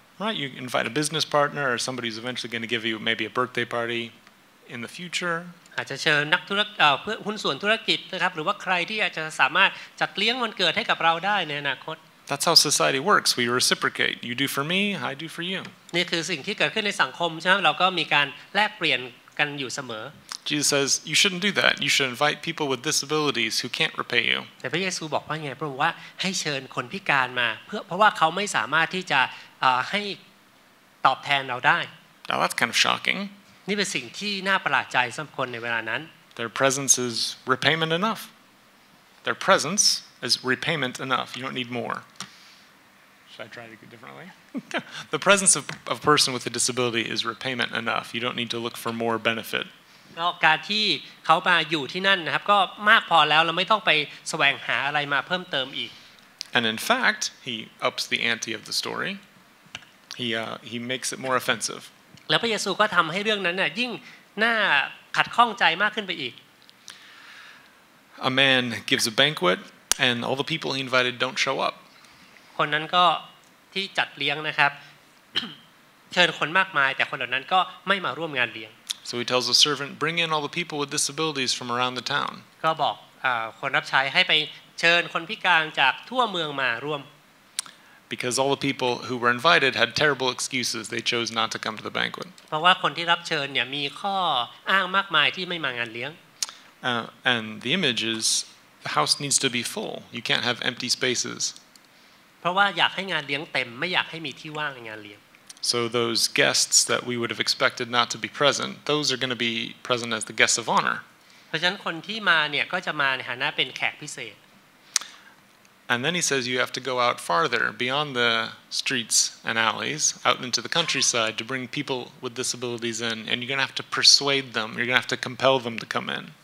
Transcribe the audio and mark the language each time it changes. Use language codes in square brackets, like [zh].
[en] Right you invite a business partner or somebody who's eventually going to give you maybe a birthday partyin the future [th] อาจจะเชิญนักธุรกิจเพื่อหุ้นส่วนธุรกิจนะครับหรือว่าใครที่อาจจะสามารถจัดเลี้ยงวันเกิดให้กับเราได้ในอนาคต [en] That's how society works we reciprocate you do for me I do for you [th] นี่คือสิ่งที่เกิดขึ้นในสังคมใช่มั้ยเราก็มีการแลกเปลี่ยนกันอยู่เสม [en] อ Jesus says you shouldn't do that you should invite people with disabilities who can't repay you [th] แต่พระเยซูบอกว่าไงพระองค์ว่าให้เชิญคนพิการมาเพราะว่าเขาไม่สามารถที่จะให้ตอบแทนเราได้ [en] That's kind of shocking [th] นี่เป็นสิ่งที่น่าประหลาดใจสำหรับคนในเวลานั้น [en] Their presence is repayment enough. Their presence is repayment enough. You don't need more. Should I try it differently? The presence of a person with a disability is repayment enough. You don't need to look for more benefit. [th] การที่เขามาอยู่ที่นั่นนะครับก็มากพอแล้วเราไม่ต้องไปแสวงหาอะไรมาเพิ่มเติมอีก [en] And in fact, he ups the ante of the story. He makes it more offensive. [th] แล้วพระเยซูก็ทําให้เรื่องนั้นน่ะยิ่งน่าขัดข้องใจมากขึ้นไปอีก [en] A man gives a banquet and all the people he invited don't show up. [th] คนนั้นก็ที่จัดเลี้ยงนะครับเชิญคนมากมายแต่คนเหล่านั้นก็ไม่มาร่วมงานเลี้ยง [en] So he tells the servant bring in all the people with disabilities from around the town. [th] ก็บอกคนรับใช้ให้ไปเชิญคนพิการจากทั่วเมืองมาร่วม [en] Because all the people who were invited had terrible excuses, they chose not to come to the banquet. [th] เพราะว่าคนที่รับเชิญเนี่ยมีข้ออ้างมากมายที่ไม่มางานเลี้ยง [en] And the image is the house needs to be full. You can't have empty spaces. [th] เพราะว่าอยากให้งานเลี้ยงเต็มไม่อยากให้มีที่ว่างในงานเลี้ยง [en] So those guests that we would have expected not to be present, those are going to be present as the guests of honor. [th] เพราะฉะนั้นคนที่มาเนี่ยก็จะมาในฐานะเป็นแขกพิเศษ [en] And then he says you have to go out farther beyond the streets and alleys out into the countryside to bring people with disabilities in and you're going to have to persuade them you're going to have to compel them to come in.